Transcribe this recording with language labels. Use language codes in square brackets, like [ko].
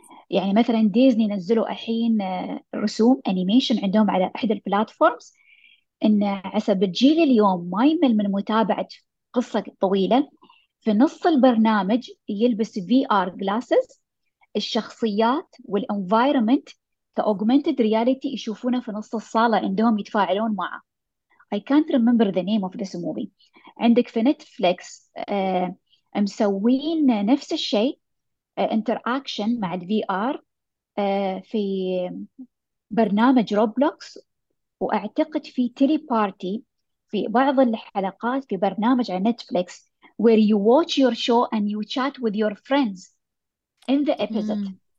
[ar] يعني مثلا ديزني نزلوا الحين رسوم أنيميشن عندهم على إحدى البلاتفورمز، إن حسب الجيل اليوم ما يمل من متابعة قصة طويلة، في نص البرنامج يلبس في آر جلاسز، الشخصيات والإنفايرمنت كأوجمنتد رياليتي يشوفونه في نص الصالة عندهم يتفاعلون معه. [en] I can't remember the name of this movie. [ar] عندك في نتفليكس مسوين نفس الشيء، interaction مع الـ VR في برنامج روبلوكس، وأعتقد في تيلي بارتي في بعض الحلقات في برنامج على نتفليكس [en] where you watch your show and you chat with your friends in the episode.